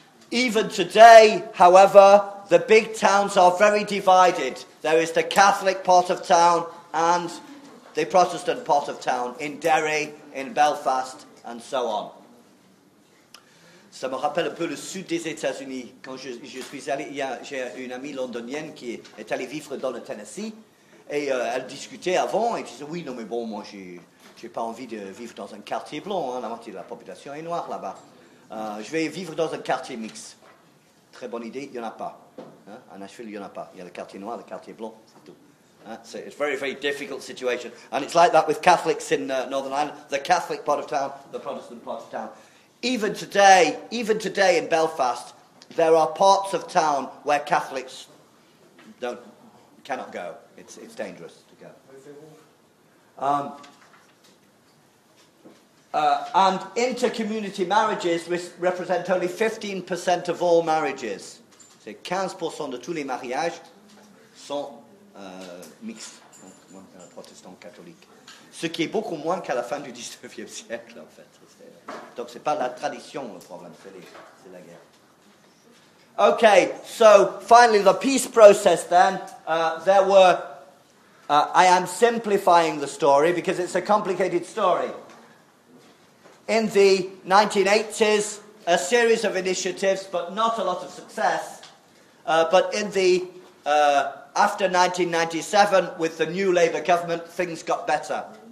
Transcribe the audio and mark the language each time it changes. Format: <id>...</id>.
<en>Even today, however, the big towns are very divided. There is the Catholic part of town and the Protestant part of town, in Derry, in Belfast, and so on.</en> <fr>Ça me rappelle un peu le sud des États-Unis. Quand je suis allé, j'ai une amie londonienne qui est allée vivre dans le Tennessee. Et elle discutait avant, et disait, oui, non, mais bon, moi, j'ai pas envie de vivre dans un quartier blanc, hein, la moitié de la population est noire là-bas. Je vais vivre dans un quartier mixte. Très bonne idée, il n'y en a pas. Hein? À Nashville, il n'y en a pas. Il y a le quartier noir, le quartier blanc, c'est tout.</fr> <en>Hein? So it's a very, very difficult situation. And it's like that with Catholics in Northern Ireland, the Catholic part of town, the Protestant part of town. Even today in Belfast, there are parts of town where Catholics cannot go. It's dangerous to go. And inter-community marriages represent only 15% of all marriages.</en> <fr>C'est 15% de tous les mariages sont mixtes, donc protestants, catholiques. Ce qui est beaucoup moins qu'à la fin du 19e siècle, en fait. Donc, ce n'est pas la tradition le problème, c'est la guerre.</fr> <en>Okay, so finally the peace process then. I am simplifying the story because it's a complicated story. In the 1980s, a series of initiatives, but not a lot of success. But in the after 1997, with the new Labour government, things got better.</en>